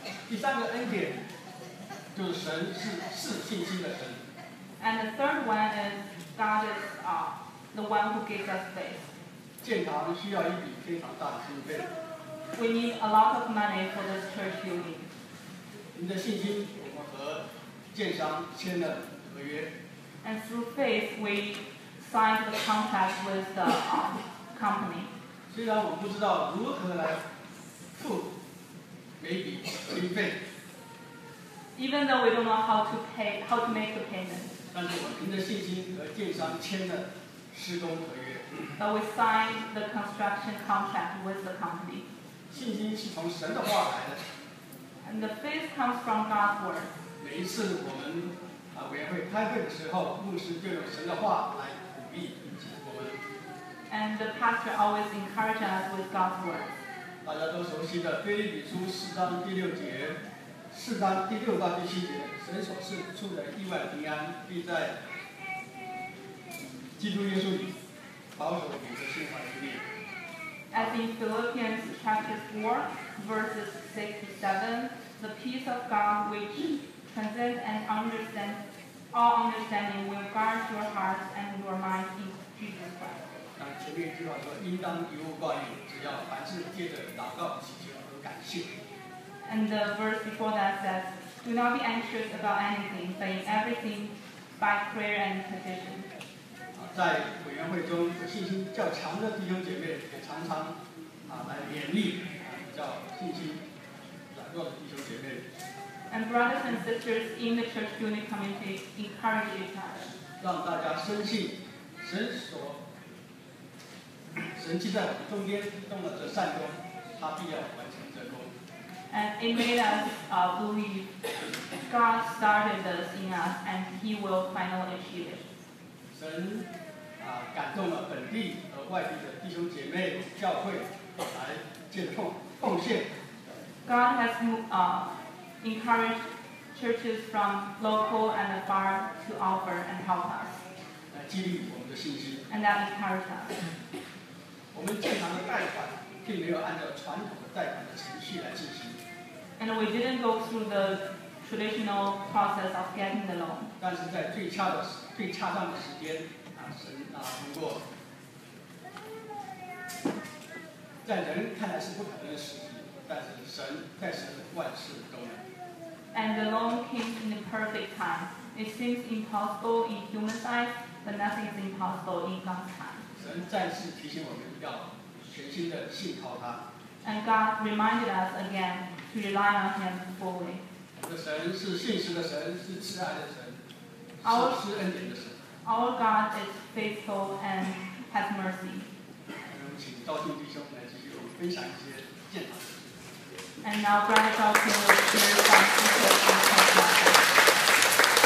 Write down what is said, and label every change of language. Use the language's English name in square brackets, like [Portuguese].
[Chinese] 第三个恩典就是神是赐信心的神。 [English] And the third one is God is the one who gives us faith. [Chinese] 建堂需要一笔非常大的经费。 [English] We need a lot of money for this church building. [Chinese] 你的信心我们和建商签的合约。 [English] And through faith, we signed the contract with the company. [Chinese] 虽然我不知道如何来付每笔经费。 [English] Even though we don't know how to pay, how to make the payment. [Chinese] 但是我凭着信心和建商签的施工合约。 [English] But we signed the construction contract with the company. [Chinese] 信心是从神的话来的。 [English] And the faith comes from God's word. [Chinese] 每一次我们委员会开会的时候，牧师就用神的话来鼓励以及我们。 [English] And the pastor always encourages us with God's word. [Chinese] 大家都熟悉的《腓立比书》四章第六节。四章第六到第七节，神所赐出的意外平安，必在基督耶稣里保守你的心怀意念。 [English] As in Philippians chapter 4, verses 6 to 7, the peace of God which transcends and understands all understanding will guard your hearts and your minds in Jesus Christ. [Chinese] 那前面一句话说，应当一无挂虑，只要凡事借着祷告、祈求和感谢。 [English] And the verse before that says, Do not be anxious about anything, but in everything by prayer and petition. [Chinese] 在委员会中，信心较强的弟兄姐妹也常常来勉励比较信心软弱的弟兄姐妹。 [English] And brothers and sisters in the church unit community encourage each other. [Chinese] 让大家深信神既在我们中间动了这善功，他必要完成这功。 [English] And it made us believe God started this in us and He will finally achieve it. [Chinese] 神感动了本地和外地的弟兄姐妹、教会来建奉献。 [English] God has encouraged churches from local and far to offer and help us. [Chinese] 来激励我们的信心。 [English] And that encouraged us. [Chinese] 我们正常的贷款并没有按照传统的贷款的程序来进行。 [English] And we didn't go through the traditional process of getting the loan. [Chinese] 但是在最恰当的时间，神通过在人看来是不可能的时机，但是神在神万事都能。 [English] And the loan came in the perfect time. It seems impossible in human sight, but nothing is impossible in God's time. [Chinese] 神再次提醒我们要全心的信靠他。 [English] And God reminded us again. To rely on Him fully. [Chinese] 我们的神是信实的神，是慈爱的神，是施恩典的神。 [English] Our God is faithful and has mercy. [Chinese] 请赵俊弟兄来继续我们分享一些见证。 [English] And now, Brother Zhao Qing will share some details on the topic.